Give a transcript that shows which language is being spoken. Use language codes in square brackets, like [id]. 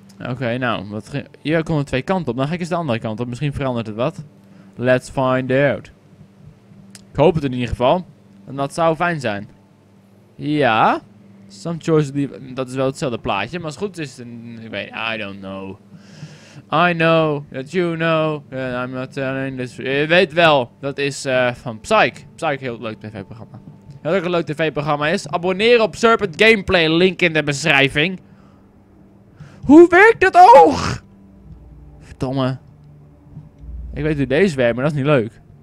[nl] Oké, nou. Hier komen er twee kanten op. Dan ga ik eens de andere kant op. Misschien verandert het wat. [en] Let's find out. [nl] Ik hoop het in ieder geval. En dat zou fijn zijn. Ja. Some choices die... Dat is wel hetzelfde plaatje. Maar als het goed is... [en] I don't know. I know that you know that I'm not telling this... [nl] Je weet wel. Dat is van Psyche. Psyche, heel leuk tv-programma. Wat ook een leuk tv-programma is. Abonneer op Serpent Gameplay. Link in de beschrijving. Hoe werkt dat oog? Verdomme. Ik weet hoe deze werkt, maar dat is niet leuk.